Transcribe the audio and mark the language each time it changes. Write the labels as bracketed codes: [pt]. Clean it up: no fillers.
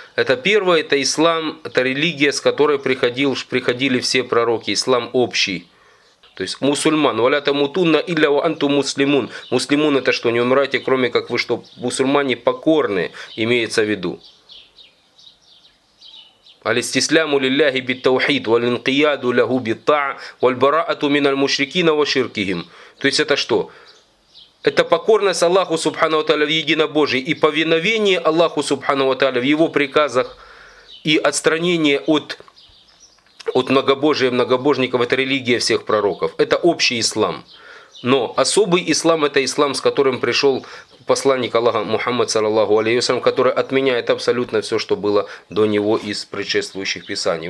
[ru] Это первое, это ислам, это религия, с которой приходили все пророки, ислам общий. То есть мусульман. [ar] «Валя тамутунна илля ва анту муслимун». [ru] Муслимун – это что, не умирайте, кроме как вы что, мусульмане покорные, имеется в виду. [ar] الاستسلام لله بالتوحيد والانقياد له بالطاعة والبراءة من المشركين وشركهم. [ru] То есть это что? Это покорность Аллаху Субхану Ва-Тааля в единобожии и повиновение Аллаху Субхану Ва-Тааля в его приказах и отстранение от многобожия и многобожников. Это религия всех пророков. Это общий ислам. Но особый ислам – это ислам, с которым пришел посланник Аллаха Мухаммад, саллаллаху алейхи ва саллям, который отменяет абсолютно все, что было до него из предшествующих писаний.